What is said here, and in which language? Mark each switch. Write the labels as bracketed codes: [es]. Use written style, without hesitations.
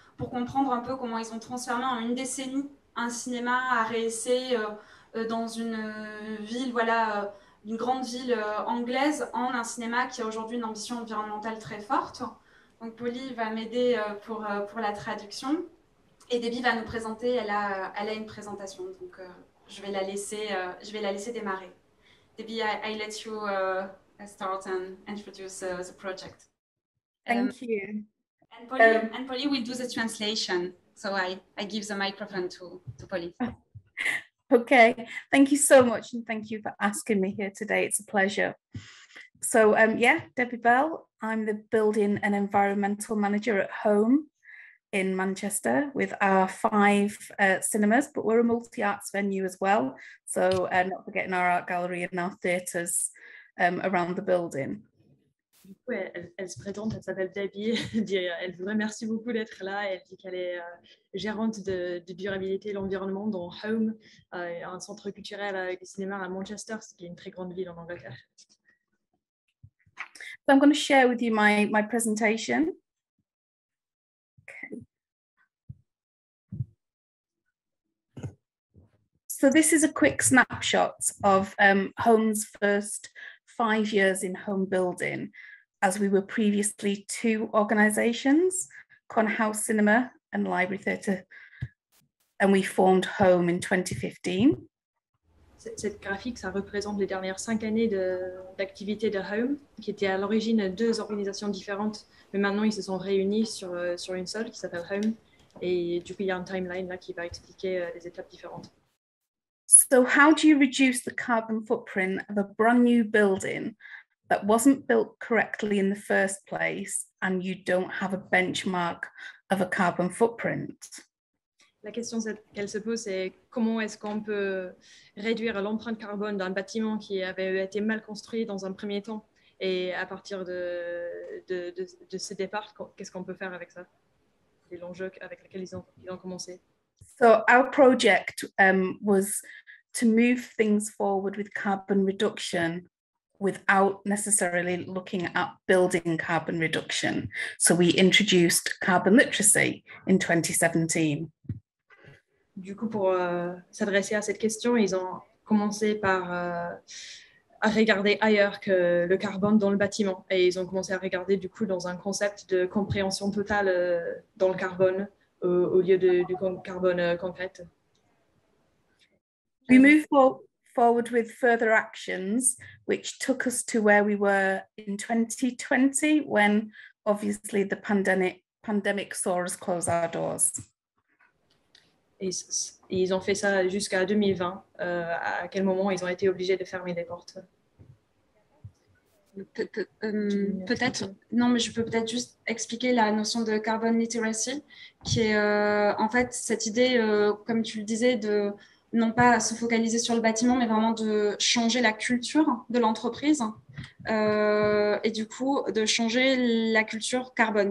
[fr] Pour comprendre un peu comment ils ont transformé en une décennie un cinéma à réessayer dans une ville voilà, d'une grande ville anglaise en un cinéma qui a aujourd'hui une ambition environnementale très forte. Donc Polly va m'aider pour la traduction et Debbie va nous présenter, elle a une présentation. Donc je vais la laisser démarrer. [en] Debbie, I let you start and introduce the project. Thank you. And Polly will do the translation. So I give the microphone to Polly. Okay, thank you so much. And thank you for asking me here today. It's a pleasure. So yeah, Debbie Bell, I'm the building and environmental manager at Home in Manchester with our five cinemas, but we're a multi-arts venue as well. So not forgetting our art gallery and our theatres around the building. [fr] Du coup, elle se présente, elle s'appelle Debbie, elle vous remercie beaucoup d'être là, elle dit qu'elle est gérante de durabilité et l'environnement dans Home, un centre culturel avec du cinéma à Manchester, ce qui est une très grande ville en Angleterre. [en] So I'm going to share with you my presentation. Okay. So this is a quick snapshot of Home's first 5 years in home building, as we were previously two organisations, Connor House Cinema and Library Theatre, and we formed Home in 2015. [fr] Cette graphique, ça représente les dernières 5 années d'activité de Home, qui était à l'origine deux organisations différentes, mais maintenant ils se sont réunis sur une seule qui s'appelle Home. Et du coup, il y a un timeline là qui va expliquer les étapes différentes. [en] So how do you reduce the carbon footprint of a brand new building that wasn't built correctly in the first place and you don't have a benchmark of a carbon footprint? [fr] La question qu'elle se pose, c'est comment est-ce qu'on peut réduire l'empreinte carbone d'un bâtiment qui avait été mal construit dans un premier temps? Et à partir de ce départ, qu'est-ce qu'on peut faire avec ça? Les enjeux avec lesquels ils ont commencé. [en] So our project was to move things forward with carbon reduction without necessarily looking at building carbon reduction. So we introduced carbon literacy in 2017. [fr] Du coup, pour s'adresser à cette question, ils ont commencé par à regarder ailleurs que le carbone dans le bâtiment. Et ils ont commencé à regarder du coup dans un concept de compréhension totale dans le carbone au lieu du carbone concrète. [en] We moved forward with further actions, which took us to where we were in 2020, when obviously the pandemic saw us close our doors. [fr] Ils ont fait ça jusqu'à 2020, à quel moment ils ont été obligés de fermer les portes. Peut-être, non, mais je peux peut-être juste expliquer la notion de carbon literacy, qui est en fait cette idée, comme tu le disais, de non pas se focaliser sur le bâtiment, mais vraiment de changer la culture de l'entreprise et du coup de changer la culture carbone.